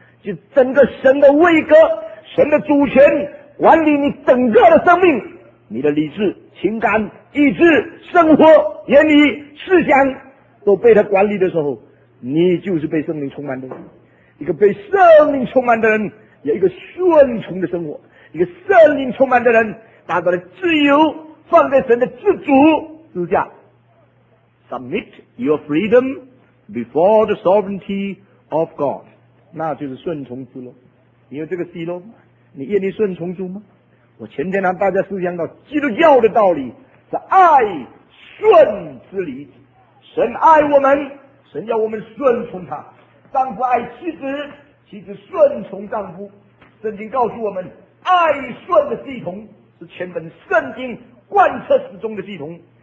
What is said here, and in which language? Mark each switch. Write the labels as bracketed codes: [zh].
[zh] 就整个神的位格，神的主权管理你整个的生命，你的理智、情感、意志、生活、言语、思想都被他管理的时候，你就是被圣灵充满的人。一个被圣灵充满的人有一个顺从的生活，一个圣灵充满的人达到了自由，放在神的自主之下。 [en] Submit your freedom before the sovereignty of God， [zh] 那就是顺从之路。你有这个喜乐吗？你愿意顺从主吗？我前天让大家思想到基督教的道理是爱顺之理。神爱我们，神要我们顺从他。丈夫爱妻子，妻子顺从丈夫。圣经告诉我们，爱顺的系统是全本圣经贯彻始终的系统。